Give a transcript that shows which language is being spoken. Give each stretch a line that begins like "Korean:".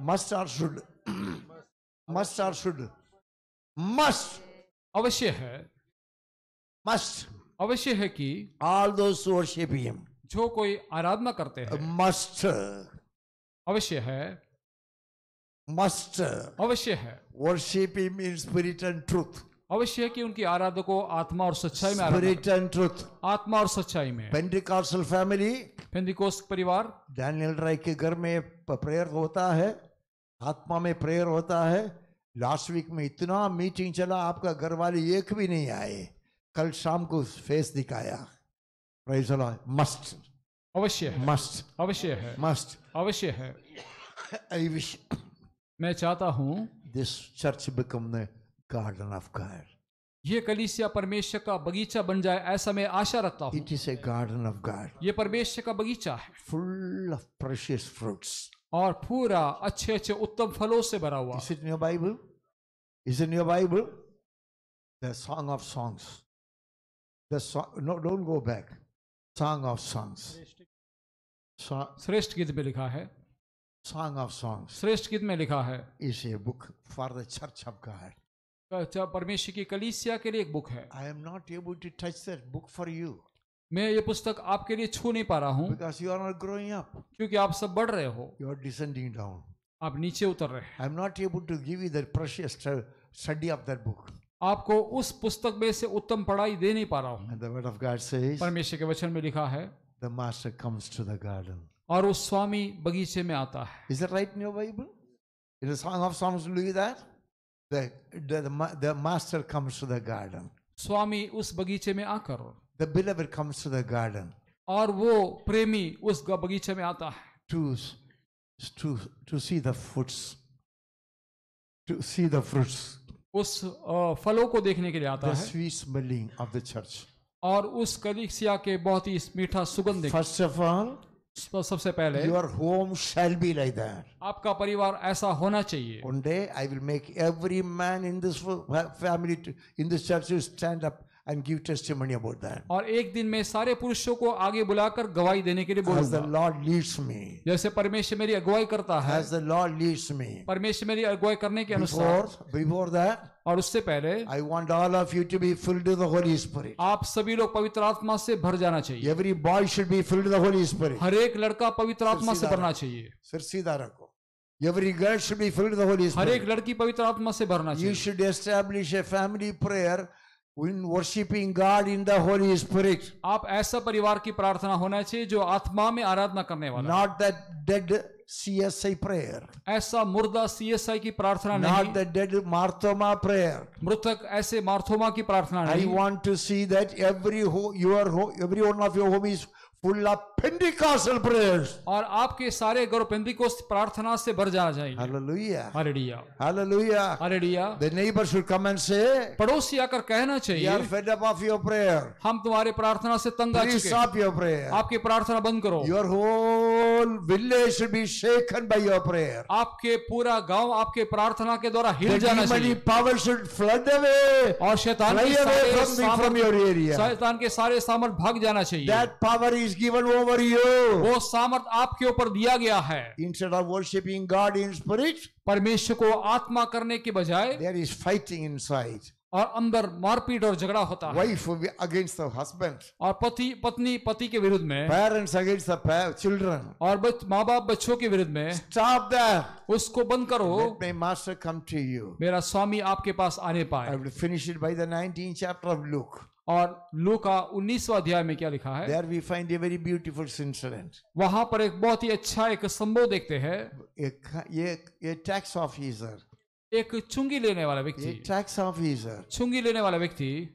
English: Must or should. Must or should. Must.
Hindi: Avashya hai.
English: Must.
Hindi: अवश्य है कि
English: all those who worship him
Hindi: जो कोई आराधना करते हैं
English: must
Hindi: अवश्य है
English: must
Hindi: अवश्य है
English: worship him in spirit and truth
Hindi: अवश्य है कि उनकी आराधना को आत्मा और सच्चाई में
English: spirit and truth
Hindi: आत्मा और सच्चाई में
English: Pentecostal family
Hindi: Pentecost परिवार Daniel Rai के घर में प्रेयर होता है आत्मा में प्रेयर होता है last week में इतना meeting चला आपका घरवाले एक भी नहीं आए कल शाम को फेस दिखाया
English: praise the lord must
Hindi: अवश्य है
English: must
Hindi: अवश्य है
English: must
Hindi: अवश्य है
English: I wish
Hindi: मैं चाहता हूं
English: this church become the garden of God
Hindi: यह कलीसिया परमेश्वर का बगीचा बन जाए ऐसा मैं आशा रखता हूं
English: it is a garden of God
Hindi: यह परमेश्वर का बगीचा है
English: full of precious fruits
Hindi: और पूरा अच्छे-अच्छे उत्तम फलों से भरा हुआ
English: Is it in your Bible is in your Bible the song of songs The song, no, don't go back. Song of songs.
Hindi: Shrestha Gita mein likha hai.
English: Song of songs.
Hindi: Shrestha Gita mein likha hai.
English: Is a book for the church of God.
Hindi: अच्छा परमेश्वर की कलीसिया के लिए एक book है.
English: I am not able to touch that book for you.
Hindi: मैं ये पुस्तक आपके लिए छू नहीं पा रहा हूँ.
English: Because you are not growing up.
Hindi: क्योंकि आप सब बढ़ रहे हो.
English: You are descending down.
Hindi: आप नीचे उतर रहे हैं.
English: I am not able to give you that precious study of that book.
Hindi: आपको उस पुस्तक में से उत्तम पढ़ाई दे नहीं पा रहा हूं
English: the word of God says
Hindi: परमेश्वर के वचन में लिखा है
English: the master comes to the garden
Hindi: और उस स्वामी बगीचे में आता है
English: is it right in your Bible in the song of songs look that the master comes to the garden
Hindi: स्वामी उस बगीचे में आकर
English: the believer comes to the garden
Hindi: और वो प्रेमी उस बगीचे में आता है
English: to see the fruits to see the fruits
Hindi: उस फलों को देखने के लिए आता
English: है। The sweet smelling of the church.
Hindi: और उस कलीसिया के बहुत ही मीठा सुगंध
English: First of all,
Hindi: सबसे पहले,
English: your home shall be like that.
Hindi: आपका परिवार ऐसा होना चाहिए।
English: One day, I will make every man in this family, in this church, to stand up and give testimony about that.
Hindi: और एक दिन मैं सारे पुरुषों को आगे बुलाकर गवाही देने के लिए बोलूंगा।
English: As the Lord leads me.
Hindi: जैसे परमेश्वर मेरी अगुवाई करता है।
English: As the Lord leads me.
Hindi: परमेश्वर मेरी अगुवाई करने के अनुसार।
English: Before that.
Hindi: और उससे पहले।
English: I want all of you to be filled with the Holy Spirit.
Hindi: आप सभी लोग पवित्र आत्मा से भर जाना चाहिए।
English: Every boy should be filled with the Holy Spirit.
Hindi: हर एक लड़का पवित्र आत्मा से भरना चाहिए। सिरसीदा रखो।
English: Every girl should be filled with the Holy Spirit.
Hindi: हर एक लड़की पवित्र आत्मा से भरना चाहिए।
English: You should establish a family prayer. When worshiping God in the Holy Spirit,
Hindi: आप ऐसा परिवार की प्रार्थना होना चाहिए जो आत्मा में आराधना करने वाला।
English: Not that dead CSI prayer.
Hindi: ऐसा मुर्दा CSI की प्रार्थना
English: Not
Hindi: नहीं।
English: Not that dead Marthoma prayer.
Hindi: मृतक ऐसे मार्थोमा की प्रार्थना नहीं।
English: I want to see that every one of your home is full of Pentecostal prayers.
Hindi: और आपके सारे घर पेंटिकोस्ट प्रार्थना से भर जा जाएंगे।
English: Hallelujah. Hallelujah. Hallelujah. Hallelujah. The neighbor should come and say.
Hindi: पड़ोसी आकर कहना चाहिए।
English: We are fed up of your prayer.
Hindi: हम तुम्हारे प्रार्थना से तंग आ चुके हैं।
English: Please stop your prayer.
Hindi: आपकी प्रार्थना बंद करो।
English: Your whole village should be shaken by your prayer.
Hindi: आपके पूरा गांव आपके प्रार्थना के द्वारा हिल जाना चाहिए।
English: The demonic power should flood away.
Hindi: और शैतान के सारे सामर्थ
English: from your area.
Hindi: शैतान के सारे सामर्थ भाग जाना चाहिए।
English: That power is given over you.
Hindi: वो सामर्थ आपके ऊपर दिया गया है।
English: Instead of worshiping God in spirit,
Hindi: परमेश्वर को आत्मा करने के बजाय,
English: there is fighting inside.
Hindi: और अंदर मारपीट और झगड़ा होता है।
English: Wife against the husband.
Hindi: और पति पत्नी पति के विरुद्ध में।
English: Parents against the children.
Hindi: और माँ-बाप बच्चों के विरुद्ध में।
English: Stop that.
Hindi: उसको बंद करो।
English: Let my master come to you.
Hindi: मेरा स्वामी आपके पास आने पाए।
English: I will finish it by the 19th chapter of Luke.
Hindi: और लूका 19वां अध्याय में क्या लिखा है?
English: There we find a very beautiful incident.
Hindi: वहां पर एक बहुत ही अच्छा एक संभव देखते हैं. एक टैक्स ऑफिसर, एक चुंगी लेने वाला व्यक्ति,
English: tax officer,
Hindi: चुंगी लेने वाला व्यक्ति,